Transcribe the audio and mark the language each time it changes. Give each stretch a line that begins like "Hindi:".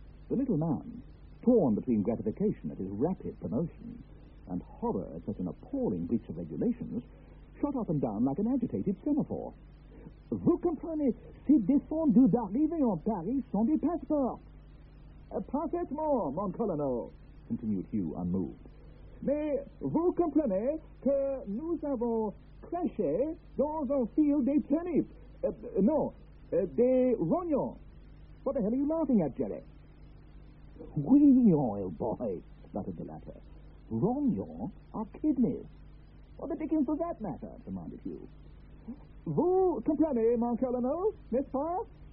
English: The little man, torn between gratification at his rapid promotion and horror at such an appalling breach of regulations, shot up and down like an agitated semaphore.
French: Vous comprenez, c'est défendu d'arriver en Paris sans des passeports. Parfaitement, mon colonel,
English: continued Hugh, unmoved.
French: Mais vous comprenez que nous avons crèché dans un field des tennis. Des rognons.
English: What the hell are you laughing at, Jerry? Rognons, old boy, sputtered the latter. Rognons are kidneys. What the dickens does that matter? Demanded Hugh.
French: Vous comprenez, mon colonel, n'est-ce pas?